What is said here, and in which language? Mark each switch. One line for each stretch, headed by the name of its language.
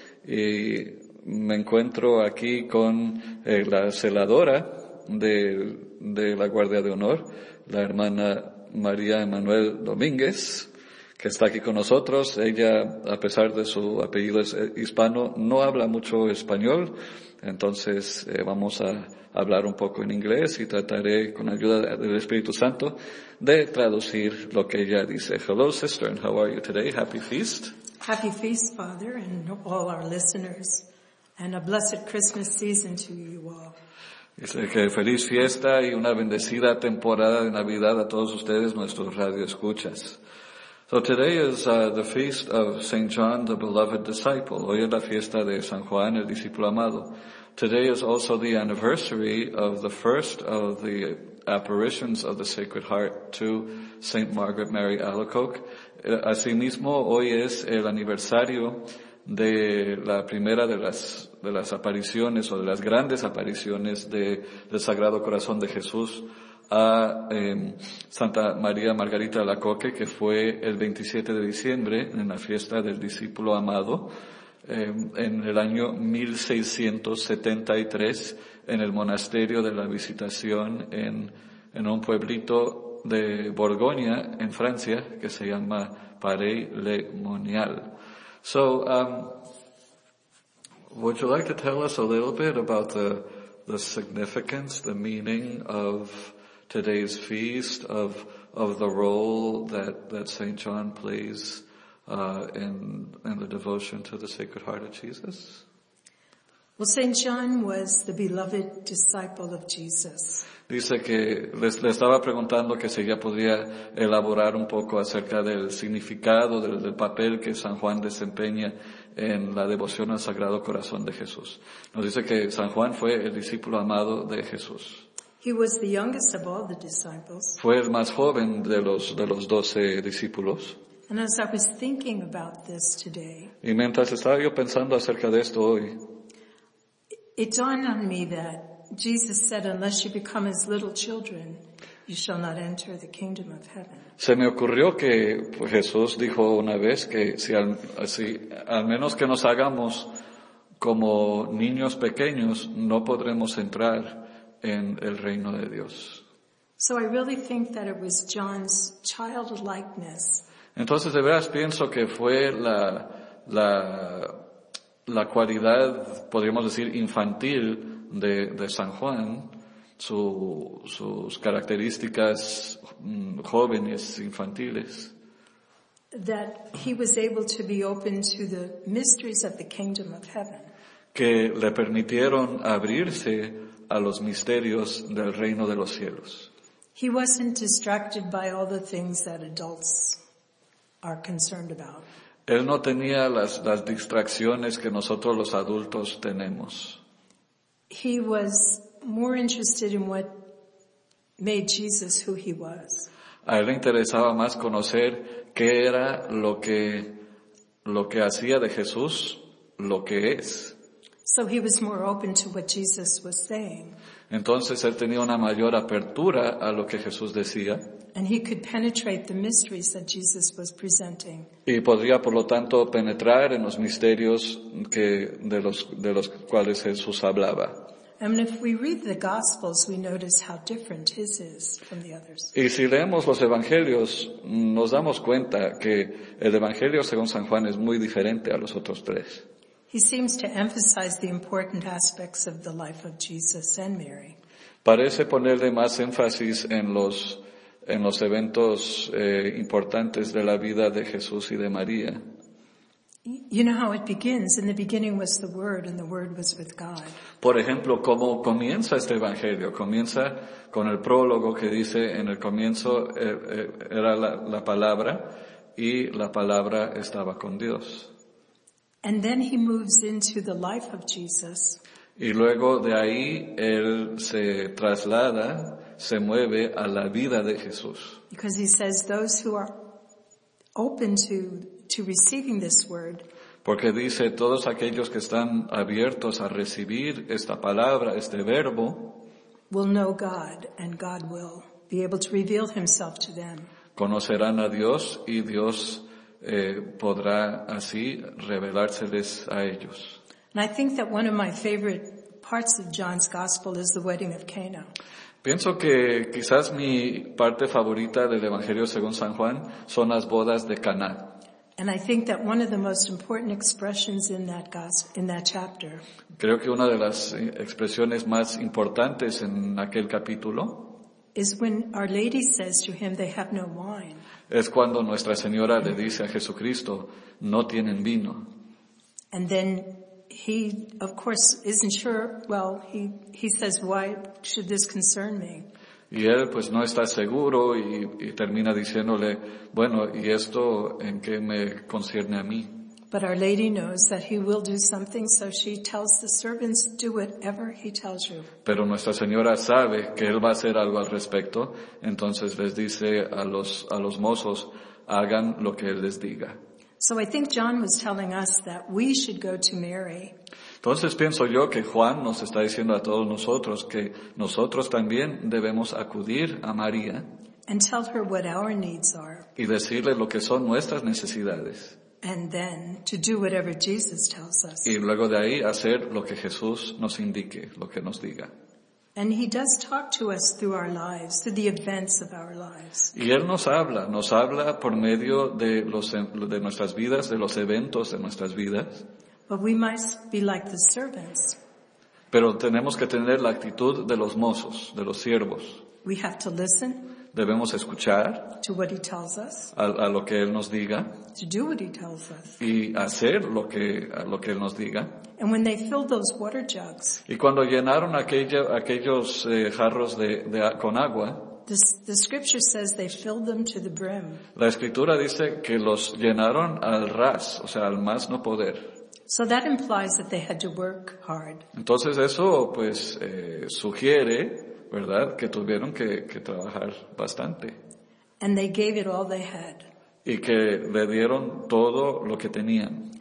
Spanish: Y me encuentro aquí con la celadora de la Guardia de Honor, la hermana María Emanuel Domínguez, que está aquí con nosotros. Ella, a pesar de su apellido es hispano, no habla mucho español, entonces vamos a hablar un poco en inglés y trataré, con ayuda del Espíritu Santo, de traducir lo que ella dice.
English: Hello, sister, and how are you today? Happy feast. Happy feast, Father, and all our listeners, and a blessed Christmas season to you all.
Spanish: Dice que feliz fiesta y una bendecida temporada de Navidad a todos ustedes, nuestros radioescuchas.
English: So today is the feast of St. John, the beloved disciple.
Spanish: Hoy es la fiesta de San Juan, el discípulo amado.
English: Today is also the anniversary of the first of the apparitions of the Sacred Heart to Saint Margaret Mary Alacoque.
Spanish: Asimismo, hoy es el aniversario de la primera de las apariciones o de las grandes apariciones del Sagrado Corazón de Jesús a Santa María Margarita Alacoque, que fue el 27 de diciembre en la fiesta del discípulo amado en el año 1673 en el monasterio de la Visitación en un pueblito de Borgoña en Francia que se llama Paray-le-Monial.
English: So, would you like to tell us a little bit about the significance, the meaning of today's feast, of the role that St. John plays in the devotion to the Sacred Heart of Jesus? Well, St. John was the beloved disciple of Jesus.
Spanish: Dice que le estaba preguntando que si ella podría elaborar un poco acerca del significado, del papel que San Juan desempeña en la devoción al Sagrado Corazón de Jesús. Nos dice que San Juan fue el discípulo amado de Jesús.
English: He was the youngest of all the disciples.
Spanish: Fue el más joven de los 12 discípulos.
English: And as I was thinking about this today,
Spanish: y mientras estaba yo pensando acerca de esto hoy,
English: it dawned on me that Jesus said, unless you become as little children, you shall not enter the kingdom of heaven.
Spanish: Se me ocurrió que Jesús dijo una vez que si al menos que nos hagamos como niños pequeños, no podremos entrar en el reino de Dios.
English: So I really think that it was John's childlikeness.
Spanish: Entonces, de veras, pienso que fue la cualidad, podríamos decir, infantil de San Juan, sus características jóvenes, infantiles.
English: That he was able to be open to the mysteries of the kingdom of heaven.
Spanish: Que le permitieron abrirse a los misterios del reino de los cielos.
English: He wasn't distracted by all the things that adults are concerned about.
Spanish: Él no tenía las distracciones que nosotros los adultos tenemos.
English: He was more interested in what made Jesus who he was.
Spanish: A él le interesaba más conocer qué era lo que hacía de Jesús lo que es.
English: So he was more open to what Jesus was saying.
Spanish: Entonces él tenía una mayor apertura a lo que Jesús decía.
English: And he could penetrate the mysteries that Jesus was presenting.
Spanish: Y podría, por lo tanto, penetrar en los misterios de los cuales Jesús hablaba.
English: And if we read the Gospels, we notice how different his is from the others.
Spanish: Y si leemos los Evangelios, nos damos cuenta que el Evangelio según San Juan es muy diferente a los otros tres.
English: He seems to emphasize the important aspects of the life of Jesus and Mary.
Spanish: Parece ponerle más énfasis en los eventos importantes de la vida de Jesús y de María.
English: You know how it begins. In the beginning was the Word, and the Word was with God.
Spanish: Por ejemplo, cómo comienza este evangelio. Comienza con el prólogo que dice, en el comienzo era la palabra, y la palabra estaba con Dios.
English: And then he moves into the life of Jesus.
Spanish: Y luego de ahí él se traslada, se mueve a la vida de Jesús.
English: Because he says those who are open to receiving this word.
Spanish: Porque dice todos aquellos que están abiertos a recibir esta palabra, este verbo,
English: will know God, and God will be able to reveal himself to them.
Spanish: Conocerán a Dios y Dios podrá así revelárseles a ellos.
English: And I think that one of my favorite parts of John's gospel is the wedding of Cana.
Spanish: Pienso que quizás mi parte favorita del Evangelio según San Juan son las bodas de Cana.
English: And I think that one of the most important expressions in that gospel, in that chapter.
Spanish: Creo que una de las expresiones más importantes en aquel capítulo
English: is when Our Lady says to him, they have no wine.
Spanish: Es cuando Nuestra Señora le dice a Jesucristo, no tienen vino.
English: And then he, of course, isn't sure. Well, he says, why should this concern me?
Spanish: Y él, pues, no está seguro y termina diciéndole, bueno, ¿y esto en qué me concierne a mí?
English: But Our Lady knows that he will do something, so she tells the servants, do whatever he tells you.
Spanish: Pero Nuestra Señora sabe que él va a hacer algo al respecto, entonces les dice a los mozos, hagan lo que él les diga.
English: So I think John was telling us that we should go to Mary.
Spanish: Entonces pienso yo que Juan nos está diciendo a todos nosotros que nosotros también debemos acudir a María.
English: And tell her what our needs are.
Spanish: Y decirle lo que son nuestras necesidades.
English: And then to do whatever Jesus tells us.
Spanish: Y luego de ahí hacer lo que Jesús nos indique, lo que nos diga.
English: And he does talk to us through our lives, through the events of our lives.
Spanish: Y él nos habla por medio de nuestras vidas, de los eventos de nuestras vidas.
English: But we must be like the servants.
Spanish: Pero tenemos que tener la actitud de los mozos, de los siervos.
English: We have to listen.
Spanish: Debemos escuchar
English: to what he tells us,
Spanish: a lo que él nos diga,
English: to do what he tells us,
Spanish: y hacer lo que él nos diga.
English: And when they filled those water jugs,
Spanish: y cuando llenaron aquellos jarros de con agua,
English: the scripture says they filled them to the brim.
Spanish: La escritura dice que los llenaron al ras, o sea, al más no poder.
English: So that implies that they had to work hard.
Spanish: Entonces eso pues sugiere, ¿verdad?, que tuvieron que trabajar bastante.
English: And they gave it all they had.
Spanish: Y que le dieron todo lo que tenían.